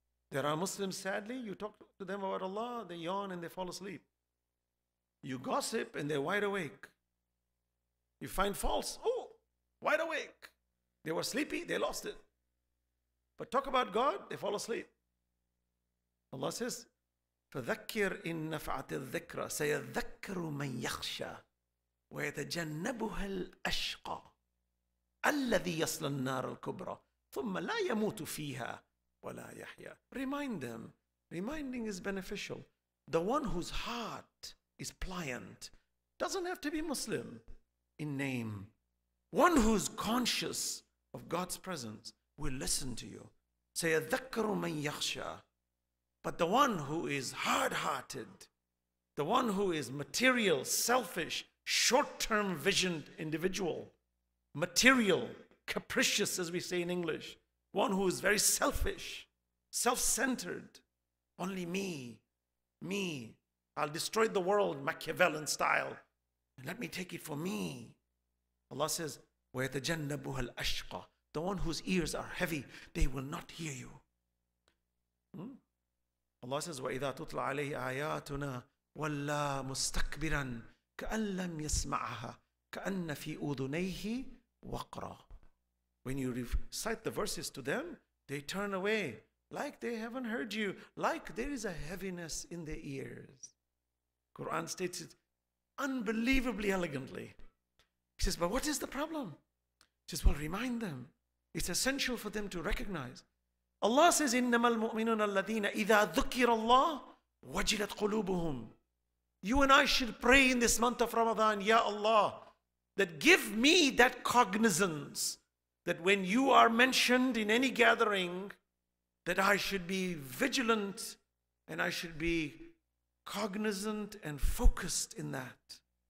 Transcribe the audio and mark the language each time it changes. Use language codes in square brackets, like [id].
[en] There are Muslims, sadly, you talk to them about Allah, they yawn and they fall asleep. You gossip and they're wide awake. You find faults, oh, wide awake. They were sleepy, they lost it. But talk about God, they fall asleep. Allah says, [ar] فَذَكِّرْ إِن نَفَعَتِ الذِّكْرَ سَيَذَكَّرُ مَنْ يَخْشَى. ويتجنبها الأشقى الذي يصلى النار الكبرى ثم لا يموت فيها ولا يحيى. [en] Remind them. Reminding is beneficial. The one whose heart is pliant doesn't have to be Muslim in name. One who is conscious of God's presence will listen to you. [ar] سَيَذَكَّرُ مَنْ يَخْشَى. [en] But the one who is hard-hearted, the one who is material, selfish, short-term visioned individual, material, capricious as we say in English, one who is very selfish, self-centered, only me, me, I'll destroy the world, Machiavellian style, and let me take it for me. Allah says, [ar] وَيَتَجَنَّبُهَا الْأَشْقَى. [en] The one whose ears are heavy, they will not hear you. Allah says, [ar] وَإِذَا تُطْلَ عَلَيْهِ آيَاتُنَا وَلَّا مُسْتَكْبِرًا كَأَنْ لَمْ يَسْمَعَهَا كَأَنَّ فِي أُذُنَيْهِ وَقْرًا. [en] When you recite the verses to them, they turn away like they haven't heard you, like there is a heaviness in their ears. Quran states it unbelievably elegantly. He says, but what is the problem? He says, well, remind them. It's essential for them to recognize. Allah says, [ar] إِنَّمَا الْمُؤْمِنُونَ الَّذِينَ إِذَا ذُكِّرَ اللَّهُ وَجِلَتْ قُلُوبُهُمْ. [en] You and I should pray in this month of Ramadan, Ya Allah, that give me that cognizance that when you are mentioned in any gathering, that I should be vigilant and I should be cognizant and focused in that.